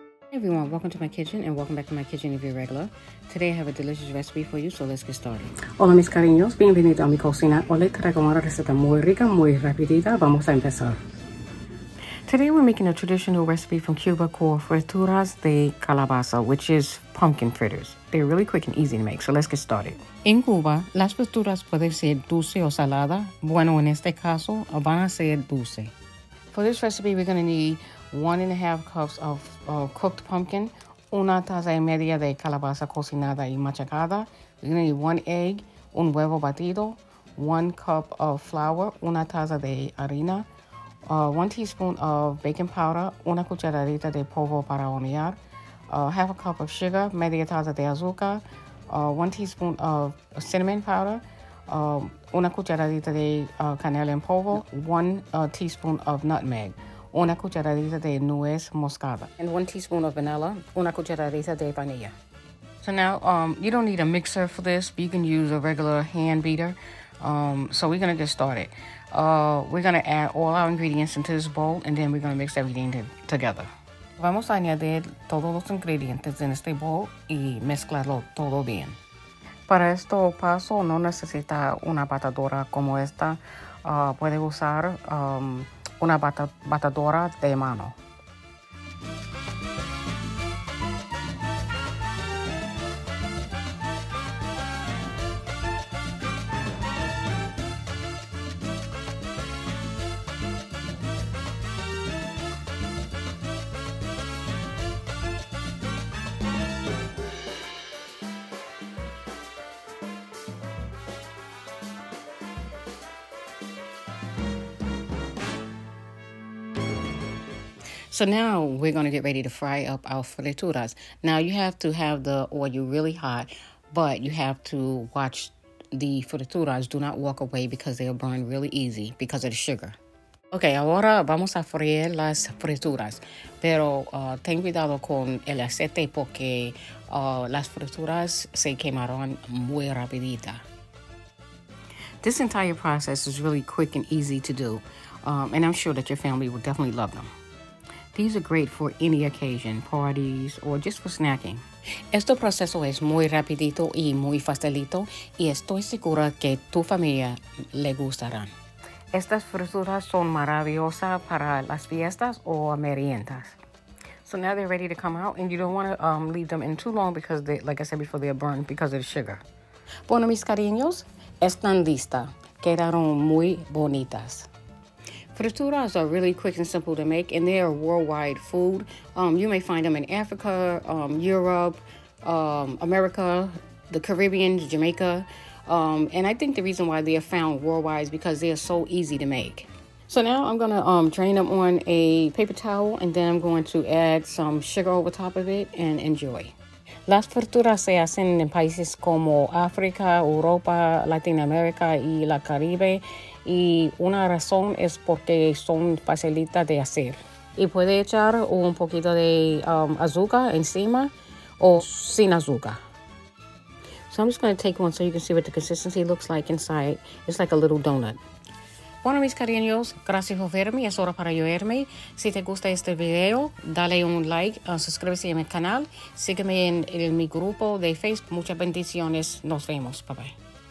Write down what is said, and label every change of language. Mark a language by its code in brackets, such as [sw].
[en] Hey everyone, welcome to my kitchen and welcome back to my kitchen if you're regular. Today I have a delicious recipe for you, so let's get started. [es] Hola mis cariños, bienvenido a mi cocina. Hoy les traigo una receta muy rica, muy rapidita. Vamos a empezar. [en] Today we're making a traditional recipe from Cuba called frituras de calabaza, which is pumpkin fritters. They're really quick and easy to make, so let's get started. [es] En Cuba, las frituras pueden ser dulce o salada. Bueno, en este caso, van a ser dulce. [en] For this recipe, we're going to need 1.5 cups of cooked pumpkin, [es] 1 taza y media de calabaza cocinada y machacada. [en] We're going to need 1 egg, [es] 1 huevo batido, [en] 1 cup of flour, [es] 1 taza de harina, [en] 1 teaspoon of baking powder, [es] 1 cucharadita de polvo para hornear, [en] 1/2 cup of sugar, [es] 1/2 taza de azúcar, [en] 1 teaspoon of cinnamon powder, [es] 1 cucharadita de canela en polvo, [en] 1 teaspoon of nutmeg, [es] 1 cucharadita de nuez moscada, [en] and 1 teaspoon of vanilla, [es] 1 cucharadita de vanilla. [en] So now, you don't need a mixer for this, but you can use a regular hand beater. So we're going to get started. We're going to add all our ingredients into this bowl, and then we're going to mix everything together. [es] Vamos a añadir todos los ingredientes en este bowl y mezclarlo todo bien. Para este paso, no necesita una batidora como esta. Puede usar una batidora de mano. [en] So now we're going to get ready to fry up our frituras. Now you have to have the oil really hot, but you have to watch the frituras. Do not walk away because they'll burn really easy because of the sugar. [es] Okay, ahora vamos a freír las frituras. Pero ten cuidado con el aceite porque las frituras se quemaron muy rapidita. [en] This entire process is really quick and easy to do. And I'm sure that your family will definitely love them. These are great for any occasion, parties, or just for snacking. [es] Este proceso es muy rapidito y muy facilito, y estoy segura que tu familia le gustarán. Estas frituras son maravillosas para las fiestas o meriendas. [en] So now they're ready to come out, and you don't want to leave them in too long because, they, like I said before, they're burned because of the sugar. [es] Bueno, mis cariños, están listas. Quedaron muy bonitas. [en] Frituras are really quick and simple to make, and they are worldwide food. You may find them in Africa, Europe, America, the Caribbean, Jamaica. And I think the reason why they are found worldwide is because they are so easy to make. So now I'm going to drain them on a paper towel, and then I'm going to add some sugar over top of it and enjoy. [es] Las frituras se hacen en países como África, Europa, Latinoamérica y la Caribe. Y una razón es porque son facilitas de hacer. Y puede echar un poquito de azúcar encima o sin azúcar. [en] So I'm just going to take one so you can see what the consistency looks like inside. It's like a little donut. [es] Bueno, mis cariños, gracias por verme. Es hora para yo irme. Si te gusta este video, dale un like, suscríbete a mi canal. Sígueme en mi grupo de Facebook. Muchas bendiciones. Nos vemos. [en] Bye, bye.